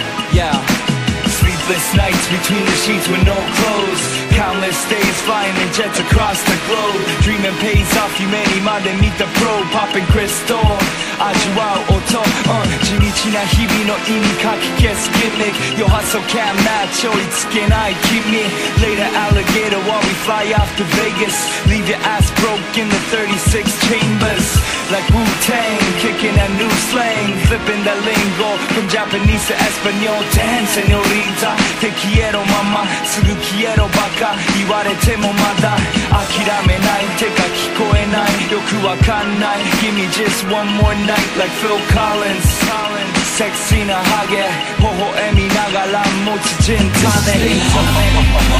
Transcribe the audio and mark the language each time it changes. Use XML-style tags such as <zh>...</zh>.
<en>Sleepless nights between the sheets with no clothes. Countless days flying in jets across the globe. Dreaming pays off, you may mind to meet the pro. Popping crystal,</en> <ja>味わう音。地道な日々の意味かき消すギミック。</ja> <en>Your hustle can't match,</en> <ja>追いつけない君。</ja> <en>Later alligator while we fly off to Vegas. Leave your ass broke in the 36 chambers. Like Wu-Tang, kicking a new slang. Flipping the lingo from Japanese to Espanol.</en> <es>Damn, señorita, te quiero, mama.</es> <ja>すぐ消えろ、バカ。言われてもまだ諦めない。てか聞こえない。よくわかんない。</ja> <en>Give me just one more night, like Phil Collins.</en> <ja>Sexy なハゲ、微笑みながら持ち人タネ。</ja>